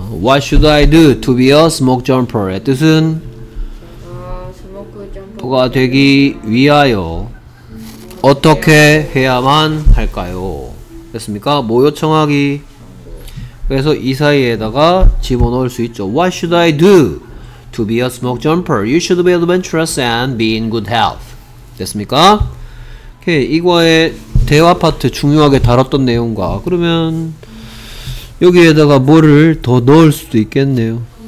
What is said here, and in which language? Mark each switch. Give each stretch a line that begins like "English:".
English: What should I do to be a smoke jumper?
Korean: 의 뜻은 스모크 점퍼가 되기 위하여 어떻게 해야만 할까요? 됐습니까? 뭐 요청하기. 그래서 이 사이에다가 집어넣을 수 있죠.
English: What should I do to be a smoke jumper? You should be adventurous and be in good health.
Korean: 됐습니까? 오케이, 이거의 대화 파트 중요하게 다뤘던 내용과 그러면 여기에다가 뭐를 더 넣을 수도 있겠네요.